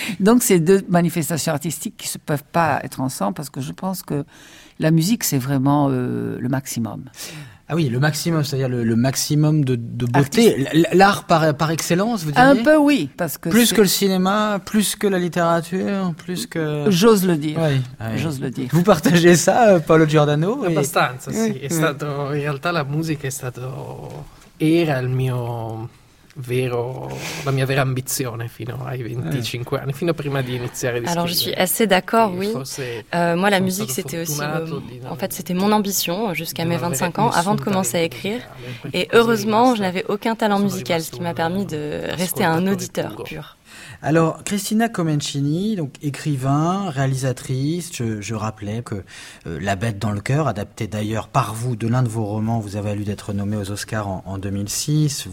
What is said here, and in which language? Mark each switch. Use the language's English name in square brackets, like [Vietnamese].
[French] Donc c'est deux manifestations artistiques qui ne peuvent pas être ensemble, parce que je pense que la musique, c'est vraiment le maximum. Ah oui, le maximum, c'est-à-dire le maximum de beauté. L'art par excellence, vous diriez ? Un peu, oui. Parce que plus c'est... que le cinéma, plus que la littérature, plus que... J'ose le dire. Oui. J'ose le dire. Vous partagez ça, Paolo Giordano ? [Italian] Abbastanza, sì. È stato, in realtà, la musica è stato, era il mio vero, la mia vera ambizione fino ai 25 anni, fino prima di iniziare. [French] Alors, je suis assez d'accord, oui. Moi, la musique, c'était aussi, en fait, c'était mon ambition jusqu'à mes 25 ans, avant de commencer à écrire. Et heureusement, je n'avais aucun talent musical, ce qui m'a permis de rester un auditeur pur. Alors, Christina Comencini, donc écrivain, réalisatrice, je rappelais que La bête dans le cœur, adapté d'ailleurs par vous de l'un de vos romans, vous avez valu d'être nommée aux Oscars en 2006.